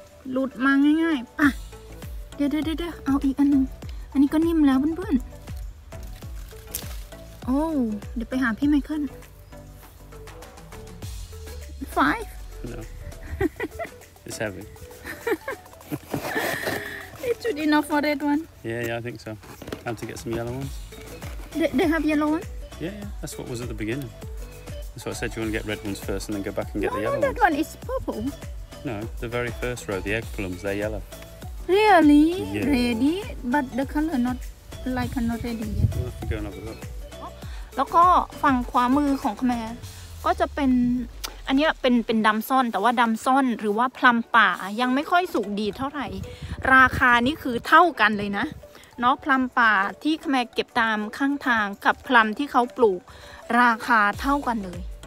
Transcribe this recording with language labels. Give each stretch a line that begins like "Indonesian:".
Thai: หลุดมาง่ายๆอ่ะเดี๋ยวเอาอีกอันนึงอันนี้ก็นิ่มแล้วเพื่อนๆโอ้เดี๋ยวไปหาพี่ไมเคิล5
English: no it's heavy it should enough for that one yeah I think soTime to get some yellow ones. They have yellow ones? Yeah, that's what was at the beginning. That's what I said, you want to get red ones first and then go back and get no, the yellow no, ones. No, that one is purple. No, the very first row, the egg plums, they're yellow. Really? Yeah. Ready? But the color not, like, not ready yet. We'll have to go and have a look. And the front of the Khmer will be...
Thai: อันนี้เป็นดำซ่อนแต่ว่าดำซ่อนหรือว่าพลัมป่ายังไม่ค่อยสุกดีเท่าไหร่ราคานี่คือเท่ากันเลยนะเนาะพลัมป่าที่ขแมเก็บตามข้างทางกับพลัมที่เขาปลูกราคาเท่ากันเลย